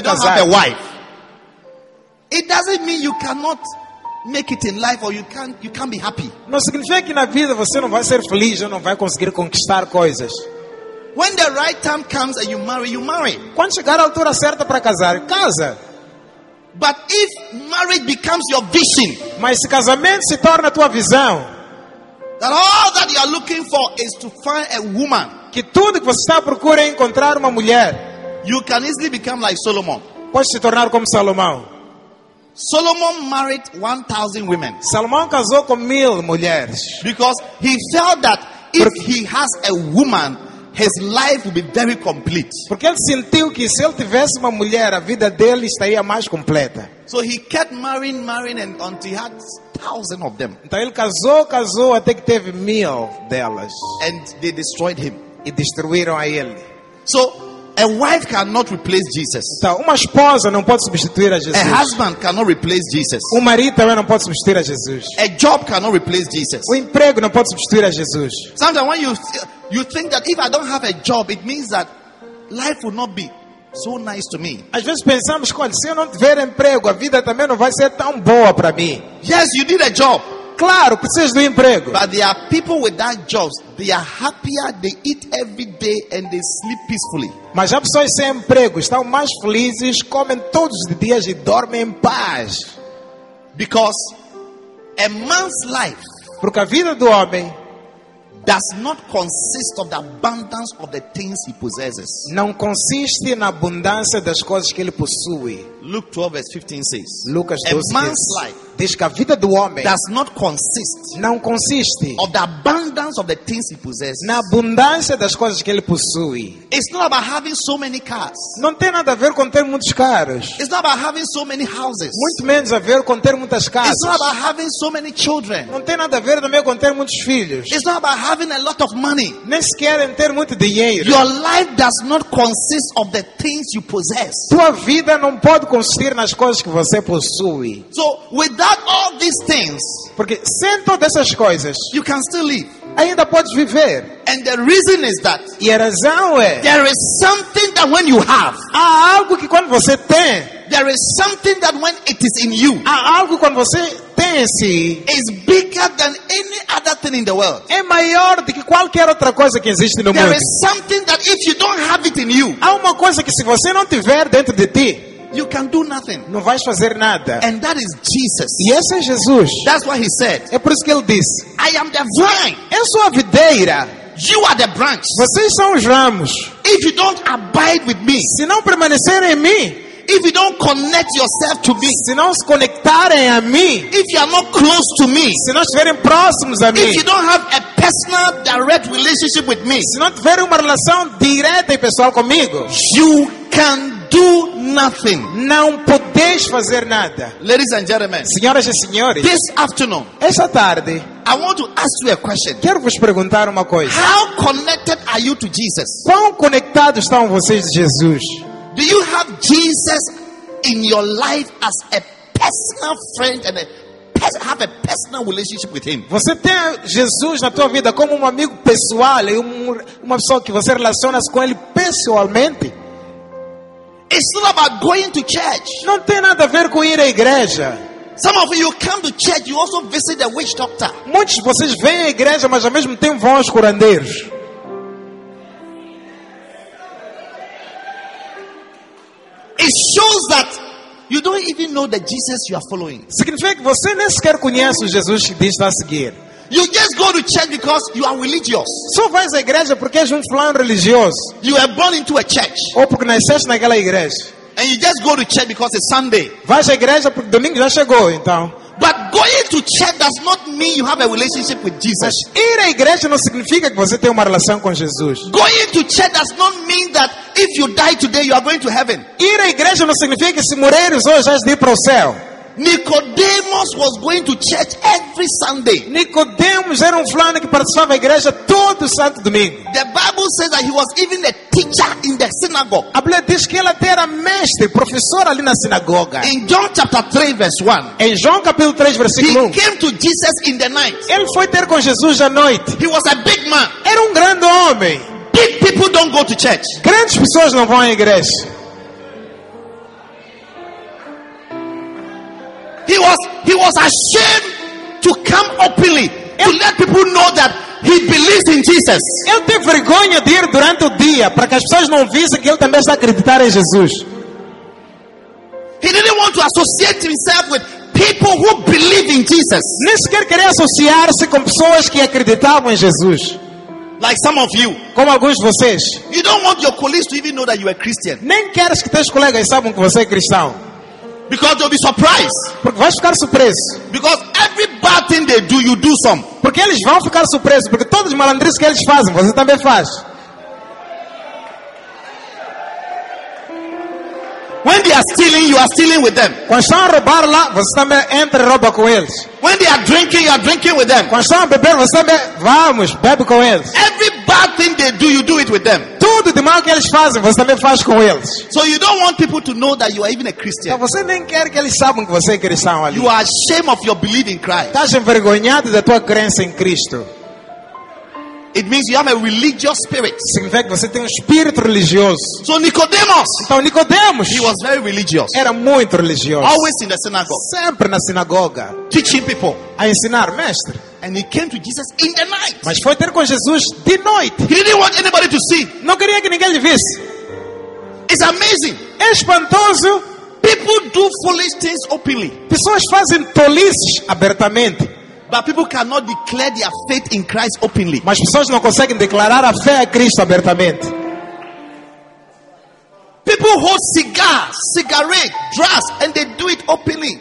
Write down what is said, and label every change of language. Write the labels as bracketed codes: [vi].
[pt] casado, [en] don't have a wife, it doesn't mean you cannot make it in life or you can't be happy. [pt] Não significa que na vida você não vai ser feliz ou não vai conseguir conquistar coisas. [en] When the right time comes and you marry, you marry. [pt] Quando chegar a altura certa para casar, casa. [en] But if marriage becomes your vision, [pt] mas se casamento se torna tua visão, [en] that all that you are looking for is to find a woman, [pt] que tudo que você está procurando é encontrar uma mulher, [en] you can easily become like Solomon. [pt] Pode se tornar como Salomão. [en] Solomon married 1,000 women. [pt] Salomão casou com 1,000 mulheres. [en] Because he felt that if he has a woman, his life will be very complete. [pt] Porque ele sentiu que se ele tivesse uma mulher, a vida dele estaria mais completa. [en] So he kept marrying and until he had 1,000 of them. [pt] Então ele casou até que teve 1,000 delas. [en] And they destroyed him. [pt] E destruíram a ele. [en] So a wife cannot replace Jesus. [pt] Então, uma esposa não pode substituir a Jesus. [en] A husband cannot replace Jesus. [pt] O marido também não pode substituir a Jesus. [en] A job cannot replace Jesus. [pt] O emprego não pode substituir a Jesus. [en] Sometimes when you think that if I don't have a job, it means that life will not be so nice to me. [pt] Às vezes pensamos, olha, se eu não tiver emprego, a vida também não vai ser tão boa para mim. [en] Yes, you need a job. [pt] Claro, precisa do emprego. [en] But there are people with that jobs. They are happier. They eat every day and they sleep peacefully. [pt] Mas há pessoas sem emprego, estão mais felizes, comem todos os dias e dormem em paz. [en] Because a man's life, [pt] porque a vida do homem, [en] does not consist of the abundance of the things he possesses. [pt] Não consiste na abundância das coisas que ele possui. [en] Luke 12 verse 15 says. [pt] Lucas 12 [en] a man's life, [pt] diz que a vida do homem, [en] does not consist, [pt] não consiste, [en] of the abundance of the things he possesses. [pt] Na abundância das coisas que ele possui. [en] It's not about having so many cars. [pt] Não tem nada a ver com ter muitos carros. [en] It's not about having so many houses. [pt] Muito menos a ver com ter muitas casas. [en] It's not about having so many children. [pt] Não tem nada a ver também com ter muitos filhos. [en] It's not about having a lot of money. [pt] Nem sequer em ter muito dinheiro. [en] Your life does not consist of the things you possess. [pt] Tua vida não pode consistir nas coisas que você possui. [en] So without all these things, [pt] porque sem todas essas coisas, [en] you can still live. [pt] Ainda podes viver. [en] And the reason is that, [pt] e a razão é, [en] there is something that when you have, [pt] há algo que quando você tem, [en] there is something that when it is in you, [pt] há algo quando você tem, se, [en] is bigger than any other thing in the world. [pt] É maior do que qualquer outra coisa que existe no [en] there [pt] mundo. [en] There is something that if you don't have it in you, [pt] há uma coisa que se você não tiver dentro de ti, [en] you can do nothing. [pt] Não vais fazer nada. [en] And that is Jesus. [pt] E esse é Jesus. [en] That's what he said. [pt] É por isso que ele disse. [en] I am the vine. [pt] Eu sou a videira. [en] You are the branch. [pt] Vocês são os ramos. [en] If you don't abide with me, [pt] se não permanecer em mim, [en] if you don't connect yourself to me, [pt] se não se conectarem a mim, [en] if you are not close to me, [pt] se não estiverem próximos a mim, [en] if you don't have a personal direct relationship with me, [pt] se não tiverem uma relação direta e pessoal comigo, [en] you can do nothing. [pt] Não podeis fazer nada. [en] Ladies and gentlemen, [pt] senhoras e senhores, [en] this afternoon, [pt] esta tarde, [en] I want to ask you a question. [pt] Quero vos perguntar uma coisa. [en] How connected are you to Jesus? [pt] Quão conectados estão vocês a Jesus? [en] Do you have Jesus in your life as a personal friend and a have a personal relationship with him? [pt] Você tem Jesus na tua vida como amigo pessoal e uma pessoa que você relaciona-se com ele pessoalmente? [en] It's not about going to church. [pt] Não tem nada a ver com ir à igreja. [en] Some of you come to church, you also visit a witch doctor. [pt] Muitos de vocês vêm à igreja, mas ao mesmo tempo vão aos curandeiros. [en] It shows that you don't even know the Jesus you are following. [pt] Significa que você nem sequer conhece o Jesus que diz a seguir. [en] You just go to church because you are religious. [pt] Só vai à igreja porque és fulano religioso. [en] You are born into a church. [pt] Ou porque nasceste naquela igreja. [en] And you just go to church because it's Sunday. [pt] Vai à igreja porque domingo já chegou, então. [en] But going to church does not mean you have a relationship with Jesus. [pt] Mas ir à igreja não significa que você tem uma relação com Jesus. [en] Going to church does not mean that if you die today you are going to heaven. [pt] Ir à igreja não significa que se morreres hoje vais ir para o céu. [en] Nicodemus was going to church every Sunday. [pt] Nicodemus era fulano que participava da igreja todo santo domingo. [en] The Bible says that he was even a teacher in the synagogue. [pt] A Bíblia diz que ele era mestre, professor ali na sinagoga. [en] In John chapter 3 verse 1. [pt] Em João capítulo 3 versículo 1. [en] He came to Jesus in the night. [pt] Ele foi ter com Jesus à noite. [en] He was a big man. [pt] Era grande homem. [en] Big people don't go to church. [pt] Grandes pessoas não vão à igreja. [en] He was ashamed to come openly to let people know that he believes in Jesus. [pt] Ele teve vergonha de ir durante o dia para que as pessoas não vissem que ele também está a acreditar em Jesus. [en] He didn't want to associate himself with people who believe in Jesus. [pt] Nem sequer queria associar-se com pessoas que acreditavam em Jesus. [en] Like some of you. [pt] Como alguns de vocês. [en] You don't want your colleagues to even know that you are Christian. [pt] Nem queres que teus colegas saibam que você é cristão. [en] Because they'll be surprised. [pt] Porque vai ficar surpreso. [en] Because every bad thing they do, you do some. [pt] Porque eles vão ficar surpresos. Porque todas as malandrices que eles fazem, você também faz. [en] When they are stealing, you are stealing with them. [pt] Quando estão a roubar lá, você também entra e rouba com eles. [en] When they are drinking, you are drinking with them. [pt] Quando estão a beber, você também vamos, bebe com eles. [en] Every bad thing they do, you do it with them. [pt] Tudo de mal que eles fazem, você também faz com eles. [en] So you don't want people to know that you are even a Christian. [pt] Então você nem quer que eles saibam que você é cristão ali. [en] You are ashamed of your belief in Christ. [pt] Estás envergonhado da tua crença em Cristo. [en] It means you have a religious spirit. [pt] Significa que você tem espírito religioso. [en] So Nicodemus. [pt] Então Nicodemus. [en] He was very religious. [pt] Era muito religioso. [en] Always in the synagogue. [pt] Sempre na sinagoga. [en] Teaching people. [pt] A ensinar, mestre. [en] And he came to Jesus in the night. [pt] Mas foi ter com Jesus de noite. [en] He didn't want anybody to see. [pt] Não queria que ninguém lhe visse. [en] It's amazing. [pt] É espantoso. [en] People do foolish things openly. [pt] Pessoas fazem tolices abertamente. [en] But people cannot declare their faith in Christ openly. [pt] Mas pessoas não conseguem declarar a fé a Cristo abertamente. [en] People hold cigars, cigarette, drugs, and they do it openly.